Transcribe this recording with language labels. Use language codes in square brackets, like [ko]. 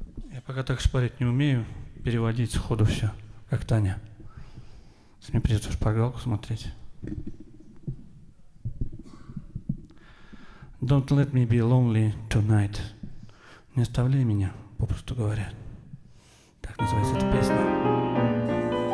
[ru] Я пока так шпарить не умею, переводить сходу все, как Таня. Если мне придется шпаргалку смотреть. [en] Don't let me be lonely tonight. [ru] Не оставляй меня, попросту говоря. Так называется эта песня.